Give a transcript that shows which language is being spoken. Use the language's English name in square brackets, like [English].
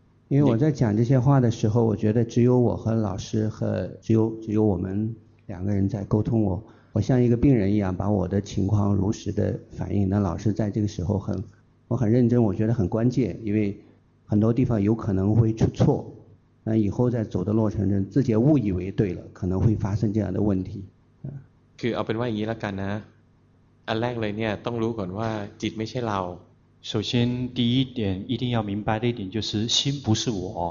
[Chinese] 因为我在讲这些话的时候我觉得只有我和老师和只有我们两个人在沟通我像一个病人一样把我的情况如实的反映那老师在这个时候我很认真我觉得很关键因为很多地方有可能会出错那以后在走的落成人自己误以为对了可能会发生这样的问题 [Thai] คือเอาเป็นว่าอย่างนี้ละกันนะอันแรกเลยเนี่ยต้องรู้ก่อนว่าจิตไม่ใช่เรา [Chinese] 首先第一点一定要明白的一点就是心不是我